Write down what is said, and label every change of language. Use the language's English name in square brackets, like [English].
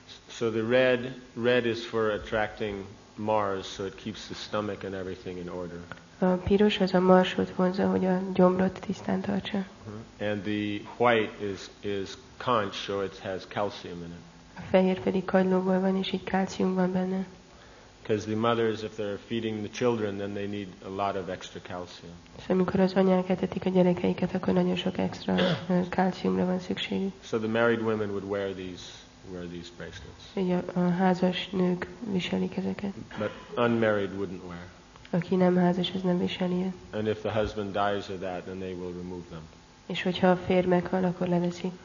[English] So the red is for attracting Mars, so it keeps the stomach and everything in order. [Hungarian] A piros az a Marsot vonza, hogy a gyomrot tisztán tartsa. [English] And the white is conch, so it has calcium in it. [Hungarian] A fehér pedig kagylóból van, és így kalcium van benne. [English] Because the mothers, if they're feeding the children, then they need a lot of extra calcium. [Hungarian] És amikor az anyák etetik a gyerekeiket, akkor nagyon sok extra kalciumra van szükségük. [English] So the married women would wear these bracelets. [Hungarian] Így a házas nők viselik ezeket. [English] But unmarried wouldn't wear. [Hungarian] Aki nem házas, az nem viseli. [English] And if the husband dies of that, then they will remove them. [Hungarian] És hogyha a fér meghal, akkor leveszi.